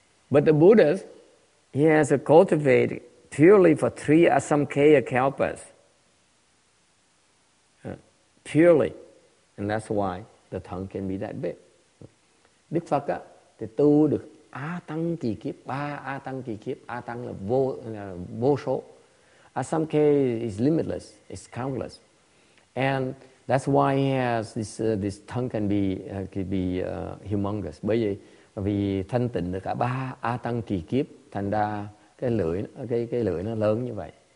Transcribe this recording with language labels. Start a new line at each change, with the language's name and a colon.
English: But the Buddhas, he has to cultivate purely for three asamkhaya kalpas. Purely. And that's why the tongue can be that big.
Vietnamese: Đức Phật á, thì tu được A tăng kỳ kiếp, ba A tăng kỳ kiếp, A tăng là vô số.
English: Asamkhe is limitless, it's countless. And that's why he has this this tongue can be humongous.
Vietnamese: Bởi vì thanh tịnh được cả ba A tăng kỳ kiếp, thành ra cái lưỡi nó lớn như vậy.